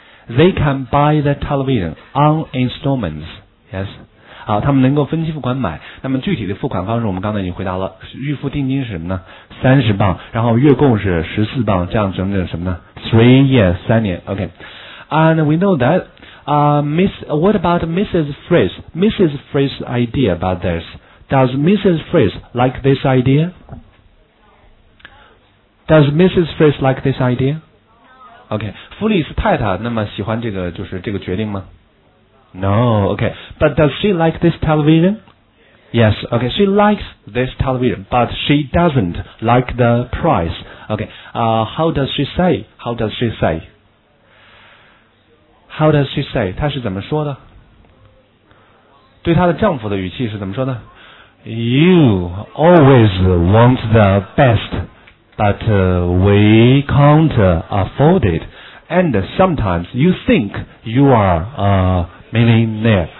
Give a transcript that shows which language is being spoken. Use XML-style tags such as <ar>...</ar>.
<en>They can buy the television on installments， yes。</en> <zh>好，他们能够分期付款买。那么具体的付款方式，我们刚才已经回答了，预付定金是什么呢？ 30磅，然后月供是14磅，这样整整什么呢？ 3年。</zh> <en>OK， and we know that what about Mrs. Fritz? Mrs. Fritz's idea about this? Does Mrs. Fritz like this idea? Does Mrs. Fritz like this idea?</en> <zh>Okay, 弗里斯太太那么喜欢这个就是这个决定吗？</zh> <en>No, okay. But does she like this television? Yes, okay. She likes this television, but she doesn't like the price. Okay, how does she say?</en> <zh>她是怎么说的？对她的丈夫的语气是怎么说的？</zh> <en>You always want the best, but we can't afford it. And sometimes you think you are a millionaire.</en>